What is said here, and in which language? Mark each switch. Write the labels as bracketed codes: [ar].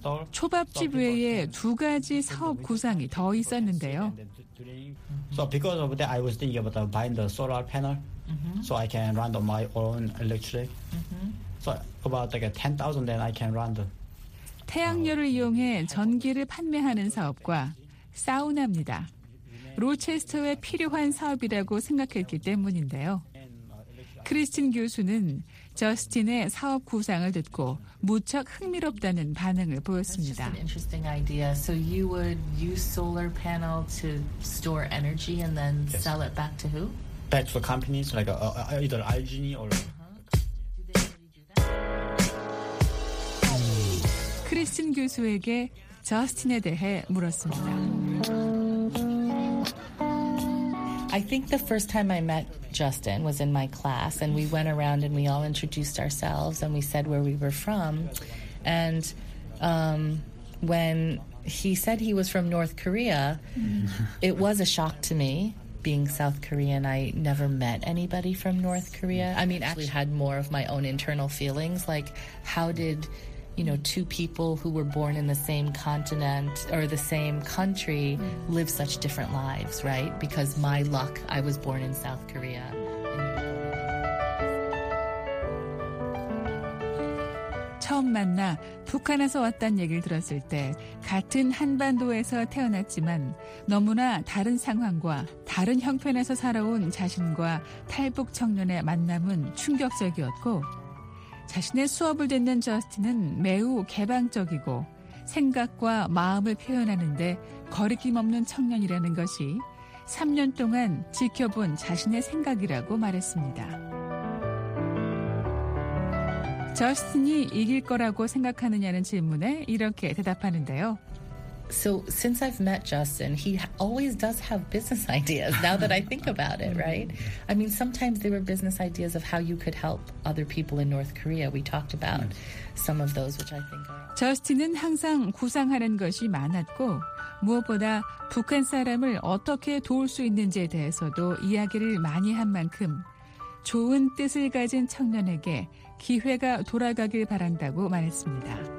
[ko] 초밥집 외에 두 가지 사업 구상이 더 있었는데요. [en] So because of that, I was thinking about buying the solar panel, so I can run my own electric. So about like $10,000, then I can run the. [ko] 태양열을 이용해 전기를 판매하는 사업과 사우나입니다. 로체스터에 필요한 사업이라고 생각했기 때문인데요. 크리스틴 교수는 저스틴의 사업 구상을 듣고 무척 흥미롭다는 반응을 보였습니다. [en] That's just an interesting idea. So you would use solar panel to store energy and then sell it back to who? Back to the companies like either Algenie or. [ko] 크리스틴 교수에게 저스틴에 대해 물었습니다. [en] I think the first time I met Justin was in my class, and we went around and we all introduced ourselves and we said where we were from. And when he said he was from North Korea, it was a shock to me, being South Korean. I never met anybody from North Korea. I mean, actually had more of my own internal feelings, like how did, you know, two people who were born in the same continent or the same country live such different lives, right? Because my luck, I was born in South Korea. [ko] 처음 만나 북한에서 왔다는 얘기를 들었을 때 같은 한반도에서 태어났지만 너무나 다른 상황과 다른 형편에서 살아온 자신과 탈북 청년의 만남은 충격적이었고 자신의 수업을 듣는 저스틴은 매우 개방적이고 생각과 마음을 표현하는데 거리낌 없는 청년이라는 것이 3년 동안 지켜본 자신의 생각이라고 말했습니다. 저스틴이 이길 거라고 생각하느냐는 질문에 이렇게 대답하는데요. [en] So since I've met Justin, he always does have business ideas, now that I think about it, right? I mean, sometimes there were business ideas of how you could help other people in North Korea. We talked about some of those, which I think are... [ko] 저스틴은 항상 구상하는 것이 많았고, 무엇보다 북한 사람을 어떻게 도울 수 있는지에 대해서도 이야기를 많이 한 만큼 좋은 뜻을 가진 청년에게 기회가 돌아가길 바란다고 말했습니다.